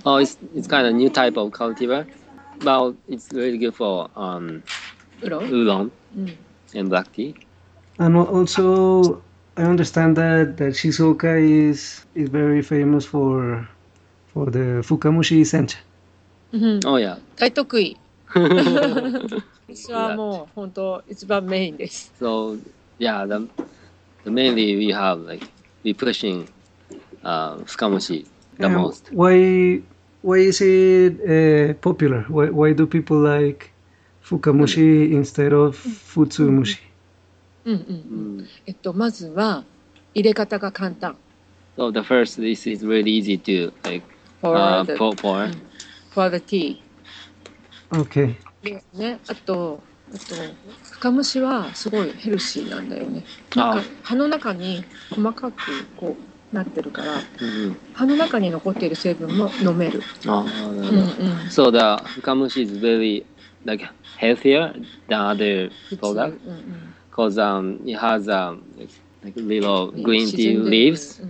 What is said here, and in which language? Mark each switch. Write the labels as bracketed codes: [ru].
[en] Oh, it's kind of new type of cultivar. Well, it's really good for oolong and black tea. And also. I understand that Shizuoka is very famous for the Fukamushi Sencha. Mm-hmm. Oh yeah. [ja] 大得意。私はもう本当一番メインです。 [en] So yeah, the mainly we have like we pushing Fukamushi the most. Why is it popular? Why do people like Fukamushi instead of Futsumushi? Mm-hmm. [ja] まずは入れ方が簡単。 [en] So the first, this is really easy to like pour. For the tea. Okay. [ja] ね、あと、深蒸しはすごいヘルシーなんだよね。なんか葉の中に細かくこうなってるから、葉の中に残っている成分も飲める。 [en] So the 深蒸し is very like healthier than other products. Because it has like little green tea leaves.